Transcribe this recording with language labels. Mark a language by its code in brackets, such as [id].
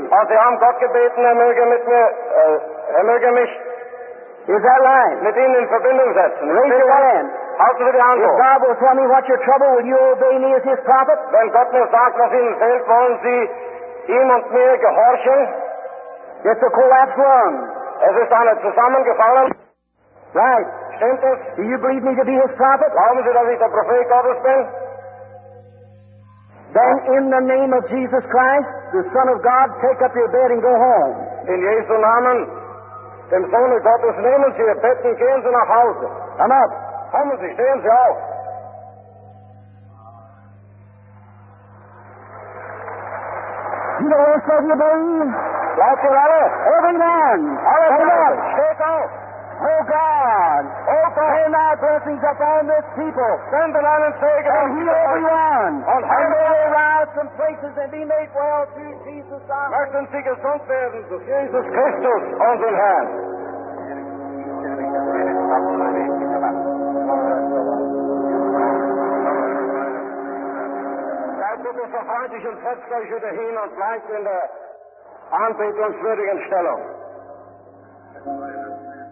[de] Und Sie haben Gott gebeten, er möge mit mir, er möge mich... [en] Is that right? [de] ...mit Ihnen in Verbindung setzen. [en] Raise your hand. [de] Halten Sie die Hand hoch. [en] If God will tell me what's your trouble, will you obey me as his prophet? [de] Wenn Gott mir sagt, was Ihnen fehlt, wollen Sie ihm und mir gehorchen? [en] It's a collapsed lung. [de] Es ist eine zusammengefallen... [en] Right. [de] Stimmt es? [en] Do you believe me to be his prophet? [de] Glauben Sie, dass ich der Prophet Gottes bin? [en] Then in the name of Jesus Christ, the Son of God, take up your bed and go home. [de] In Jesu Namen, dem Sohn Gottes, nehmen Sie Ihr Bett und gehen Sie nach Hause. [en] Come up. [de] Kommen Sie, stehen Sie auf. [en] You know what you believe? [de] Glaubt ihr alle? [en] Every man. [de] Alle Männer. Steht auf. [en] Oh God, open thy blessings upon this people. Send them out and say, and heal everyone. And may they rise from places and be made well through Jesus' arm. [de] Möchten Sie gesund werden durch Jesus Christus, unseren Herrn. Seid bitte so freundlich und setzt euch wieder hin und bleibt in der anbetungswürdigen Stellung.